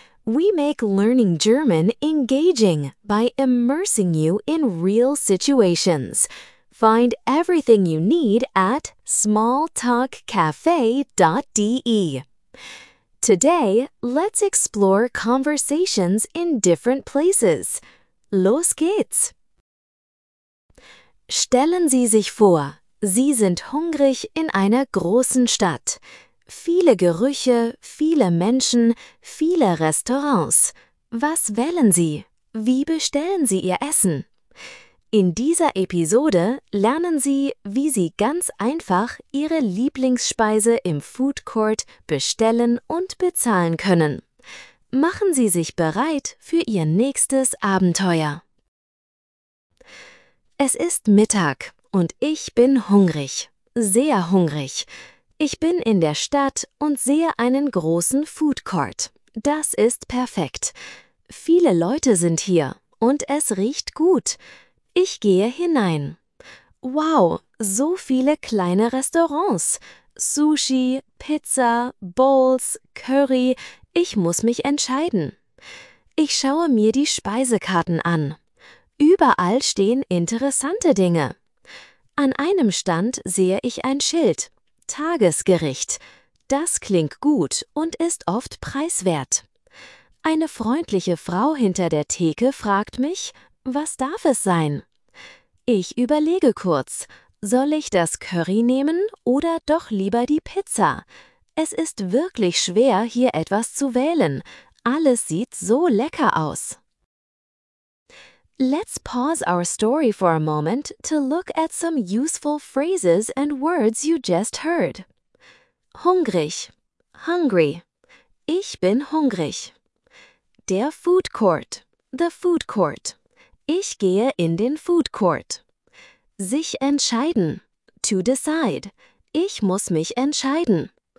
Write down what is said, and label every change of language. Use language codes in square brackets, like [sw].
[en] We make learning German engaging by immersing you in real situations. Find everything you need at smalltalkcafe.de. Today, let's explore conversations in different places. [de] Los geht's! Stellen Sie sich vor, Sie sind hungrig in einer großen Stadt. Viele Gerüche, viele Menschen, viele Restaurants. Was wählen Sie? Wie bestellen Sie Ihr Essen? In dieser Episode lernen Sie, wie Sie ganz einfach Ihre Lieblingsspeise im Food Court bestellen und bezahlen können. Machen Sie sich bereit für Ihr nächstes Abenteuer. Es ist Mittag und ich bin hungrig, sehr hungrig. Ich bin in der Stadt und sehe einen großen Food Court. Das ist perfekt. Viele Leute sind hier und es riecht gut. Ich gehe hinein. Wow, so viele kleine Restaurants. Sushi, Pizza, Bowls, Curry. Ich muss mich entscheiden. Ich schaue mir die Speisekarten an. Überall stehen interessante Dinge. An einem Stand sehe ich ein Schild. Tagesgericht. Das klingt gut und ist oft preiswert. Eine freundliche Frau hinter der Theke fragt mich, was darf es sein? Ich überlege kurz, soll ich das Curry nehmen oder doch lieber die Pizza? Es ist wirklich schwer, hier etwas zu wählen. Alles sieht so lecker aus. [en] Let's pause our story for a moment to look at some useful phrases and words you just heard. [de] Hungrig, hungry, ich bin hungrig. Der Food Court, [en] the food court, [de] ich gehe in den Food Court. Sich entscheiden, [en] to decide, [de] ich muss mich entscheiden.